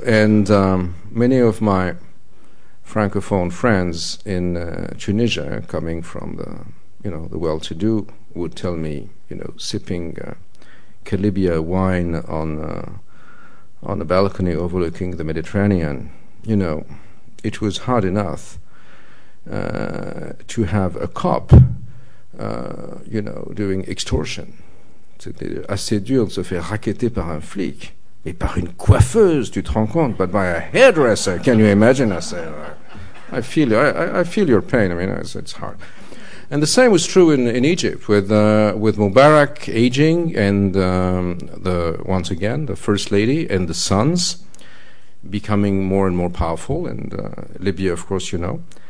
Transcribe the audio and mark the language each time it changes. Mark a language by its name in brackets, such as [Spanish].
[English] And many of my Francophone friends in Tunisia, coming from the, you know, the well-to-do, would tell me, you know, sipping Calibia wine on a balcony overlooking the Mediterranean, you know, it was hard enough to have a cop, you know, doing extortion. [French] C'était assez dur de se faire racketter par un flic, mais par une coiffeuse, tu te rends compte, [English] but by a hairdresser, can you imagine? I say, I feel your pain. I mean, it's hard. And the same was true in Egypt with Mubarak aging and the first lady and the sons becoming more and more powerful, and Libya, of course, you know.